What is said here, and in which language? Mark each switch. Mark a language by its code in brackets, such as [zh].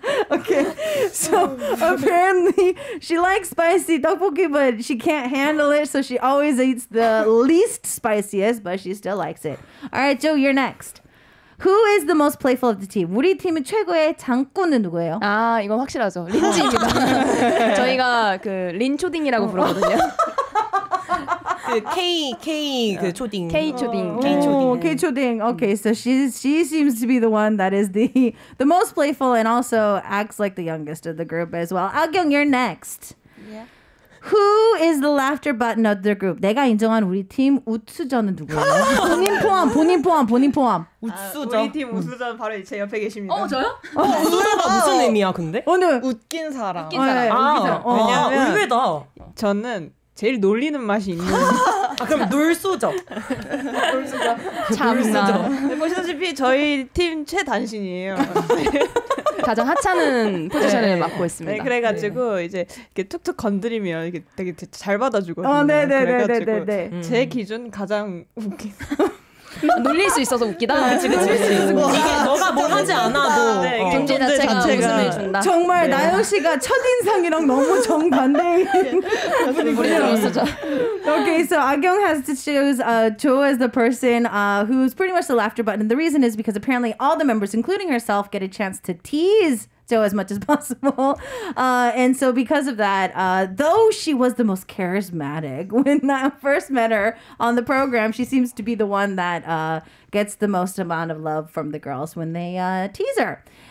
[en] Okay, so apparently she likes spicy tteokbokki, but she can't handle it, so she always eats the least spiciest, but she still likes it. All right, Joe, you're next. Who is the most playful of the team? [ko] 우리 팀의 최고의 장꾼은 누구예요? 아, 이건 확실하죠. 린지입니다. 저희가 그 린초딩이라고 부르거든요. K-초딩. [en] Okay, so she seems to be the one that is the most playful and also acts like the youngest of the group as well. Ah-kyung, you're next. Yeah. Who is the laughter button of the group? [ko] 내가 인정한 우리 팀 우수전은 누구예요? 본인 포함, 본인 포함, 본인 포함. 우수전. 아, 우리 팀 우수전 바로 제 옆에 계십니다. 어, 저요? 어, 우수가 무슨 의미야, 근데? 오늘 웃긴 사람. 웃긴 사람. 아, 아, 웃긴 사람. 아, 왜냐면 의외다. 저는 제일 놀리는 맛이 있는. 아, 그럼 놀수저. 놀수저. 보시다시피 저희 팀 최단신이에요. 가장 하찮은 포지션을 네. 맡고 있습니다. 네, 그래가지고 네. 이제 이렇게 툭툭 건드리면 이렇게 되게 잘 받아주거든요. 어, 네네네네네. 제 기준 가장 웃긴. 놀릴 수 있어서 웃기다. 그치, 그치, 그치. 이게 너가 뭐 하지 않아도 존재 네, 자체가 웃음을 준다. 정말 네. 나영 씨가 첫인상이랑 너무 정반대인 분이군요. 네. [en] 오케이, so 아경 has to choose Joe as the person who's pretty much the laughter button. And the reason is because apparently all the members, including herself, get a chance to tease Joe as much as possible. And so because of that, though she was the most charismatic when I first met her on the program, she seems to be the one that gets the most amount of love from the girls when they tease her.